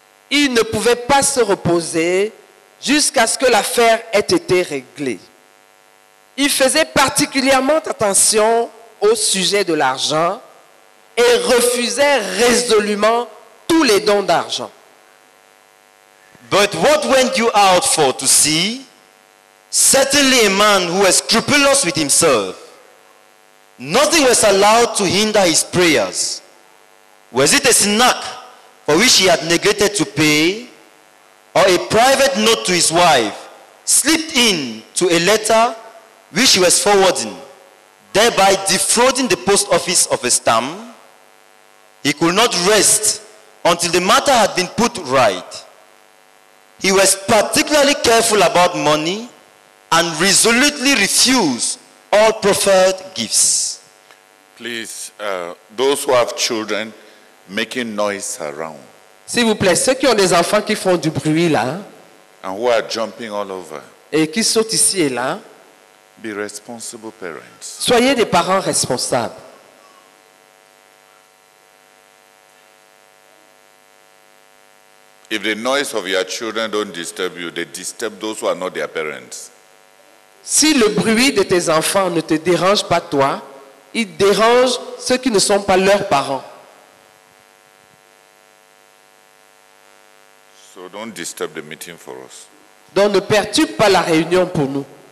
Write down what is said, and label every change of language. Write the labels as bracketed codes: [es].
[fr] Il ne pouvait pas se reposer jusqu'à ce que l'affaire ait été réglée. Il faisait particulièrement attention au sujet de l'argent et refusait résolument tous les dons d'argent. [en] But what went you out for to see? Certainly a man who was scrupulous with himself. Nothing was allowed to hinder his prayers. Was it a snack for which he had neglected to pay, or a private note to his wife slipped in to a letter which he was forwarding, thereby defrauding the post office of a stamp? He could not rest until the matter had been put right. He was particularly careful about money and resolutely refused all preferred gifts. Please, those who have children making noise around. [fr] S'il vous plaît, ceux qui ont des enfants qui font du bruit là. [en] And who are jumping all over. [fr] Et qui sautent ici et là. [en] Be responsible parents. [fr] Soyez des parents responsables. [en] If the noise of your children don't disturb you, they disturb those who are not their parents. [fr] Si le bruit de tes enfants ne te dérange pas toi, il dérange ceux qui ne sont pas leurs parents. [en] So don't disturb the meeting for us. [fr] Donc ne perturbe pas la réunion pour nous.